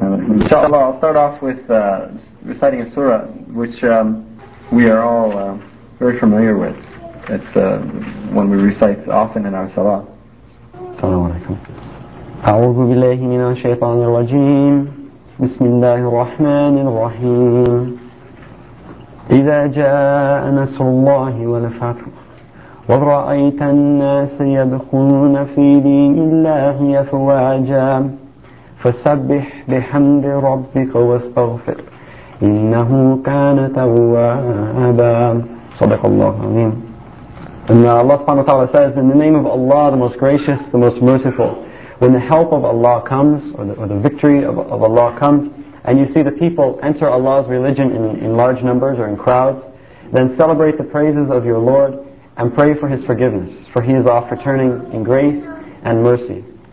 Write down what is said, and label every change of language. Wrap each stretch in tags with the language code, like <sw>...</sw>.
<en>إن شاء الله, I'll start off with reciting a surah which we are all very familiar with. It's one we recite often in our salah.</en> <ar>السلام عليكم. أعوذ بالله من الشيطان الرجيم. بسم الله الرحمن الرحيم. إذا جاء نصر الله والفتح ورأيت الناس يدخلون في دين الله أفواجا فسبح بحمد ربك واستغفر إنه كان توابا. صدق الله العظيم.</ar> <en>And now Allah subhanahu wa ta'ala says, in the name of Allah, the most gracious, the most merciful. When the help of Allah comes, or the victory of Allah comes, and you see the people enter Allah's religion in large numbers or in crowds, then celebrate the praises of your Lord and pray for His forgiveness, for He is oft returning in grace and mercy.</en>